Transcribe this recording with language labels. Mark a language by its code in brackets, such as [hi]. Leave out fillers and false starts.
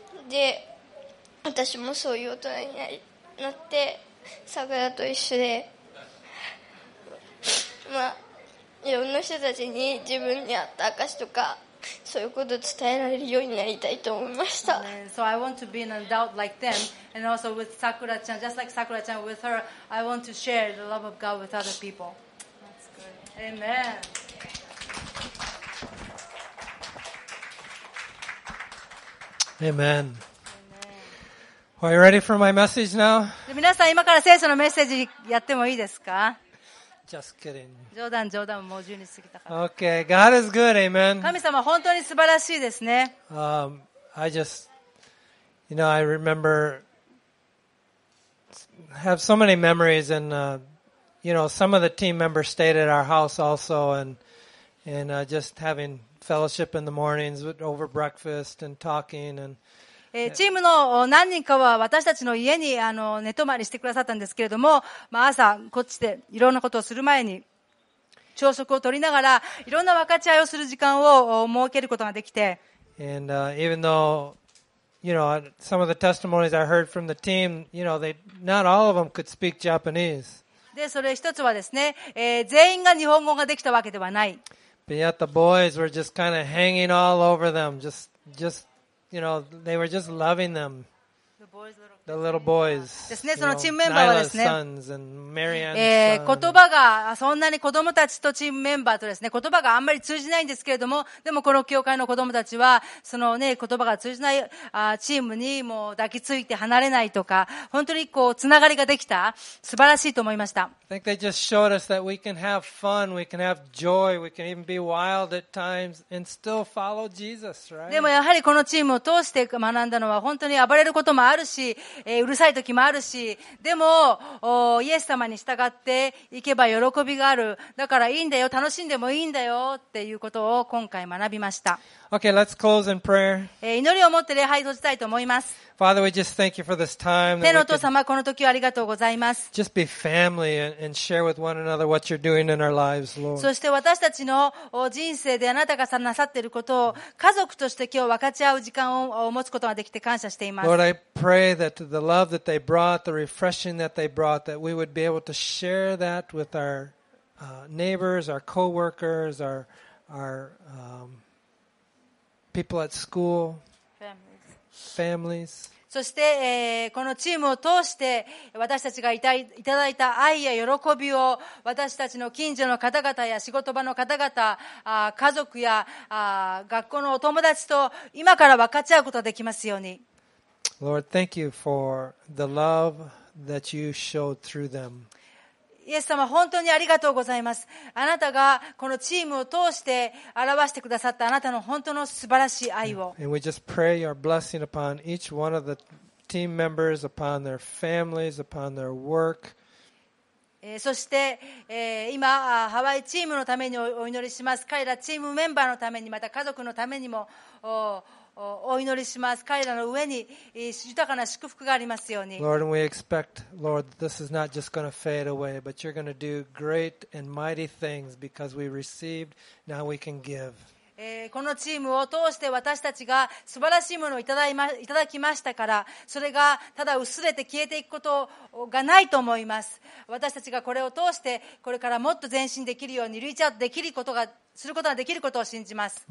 [ja] で、私もそういう大人になって、桜と一緒で、まあ、いろんな人たちに自分に合った証とか。そういうことを伝えられるようになりたいと思いました。 [en] So I want to be an adult like them, and also with Sakura-chan, just like Sakura-chan with her, I want to share the love of God with other people. That's good. Amen. Amen. Amen. Well, are you ready for my message now? [ja] 皆さん、今から聖書のメッセージやってもいいですか？ [en] Just kidding. [ja] 冗談もう12時過ぎたから。 [en] Okay, God is good, amen. [ja] 神様本当に素晴らしいですね。 [en] I just, you know, I remember have so many memories, and you know, some of the team members stayed at our house also, and just having fellowship in the mornings over breakfast and talking and. [ja] チームの何人かは私たちの家に寝泊まりしてくださったんですけれども、まあ、朝こっちでいろんなことをする前に朝食を取りながらいろんな分かち合いをする時間を設けることができて、 [en] And, even though, you know, some of the testimonies I heard from the team, you know, they, not all of them could speak Japanese. [ja] で、それ一つはですね、全員が日本語ができたわけではない。 [en] But yet the boys were just kind of hanging all over them, just,You know, they were just loving them. The little boys. [ja] ですね、そのチームメンバーはですね、言葉がそんなに子供たちとチームメンバーとですね、言葉があんまり通じないんですけれども、でもこの教会の子供たちは、そのね、言葉が通じないチームにもう抱きついて離れないとか、本当にこう、つながりができた、素晴らしいと思いました。 [en] I think they just showed us that we can have fun, we can have joy, we can even be wild at times and still follow Jesus, right? [ja] でもやはりこのチームを通して学んだのは本当に暴れることもあるし、うるさい時もあるし、でもイエス様に従って行けば喜びがある。だからいいんだよ、楽しんでもいいんだよっていうことを今回学びました。 [en] Okay, let's close in prayer. [ja] 祈りを持って礼拝を閉じたいと思います。 [en] Father, we just thank you for this time. [ja] 天のお父様、この時をありがとうございます。 [en] Just be family and share with one another what you're doing in our lives, Lord. [ja] そして私たちの人生であなたがなさっていることを家族として今日分かち合う時間を持つことができて感謝しています。 [en] Lord, I pray that the love that they brought, the refreshing that they brought, that we would be able to share that with our neighbors, our coworkers, our people at school, families. [ja] そして、このチームを通して私たちがいただいた愛や喜びを私たちの近所の方々や仕事場の方々、家族や学校のお友達と今から分かち合うことができますように。 [en] Lord, thank you for the love that you showed through them. [ja] イエス様、本当にありがとうございます。あなたがこのチームを通して表してくださったあなたの本当の素晴らしい愛を。 [en] And we just pray your blessing upon each one of the team members, upon their families, upon their work. [ja] そして、今ハワイチームのためにお祈りします。彼らチームメンバーのためにまた家族のためにも お祈りします。彼らの上に豊かな祝福がありますように。 [en] Lord, we expect, Lord, this is not just going to fade away, but you're going to do great and mighty things because we received, now we can give. [ja] このチームを通して私たちが素晴らしいものをいただきましたから、それがただ薄れて消えていくことがないと思います。私たちがこれを通してこれからもっと前進できるように、リーチアウトできることがすることができることを信じます。